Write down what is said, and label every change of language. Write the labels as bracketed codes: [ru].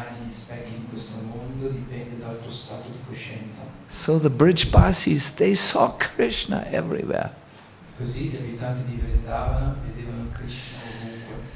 [it] specchi in questo mondo dipende dal tuo stato di coscienza. [en] So the bridge passes, they saw Krishna everywhere. [it] Così gli abitanti di Vrindavana vedevano Krishna ovunque.